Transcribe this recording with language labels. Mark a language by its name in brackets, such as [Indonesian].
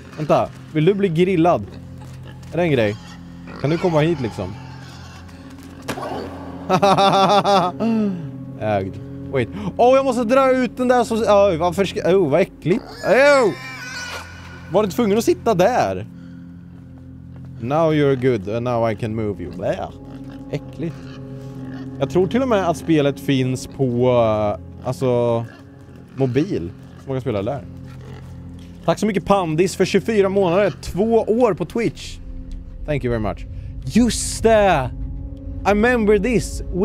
[Swedish] Vänta. Vill du bli grillad? Är det en grej? Kan du komma hit liksom? Ägd. [English] Wait. [Swedish] Åh, jag måste dra ut den där så... vad äckligt. Var du tvungen att sitta där? [English] Now you're good and now I can move you. [Swedish] Äckligt. Jag tror till och med att spelet finns på alltså mobil. Så många spelare där. Tack så mycket Pandis för 24 månader, 2 år på Twitch. [English] Thank you very much. Just det. I remember this.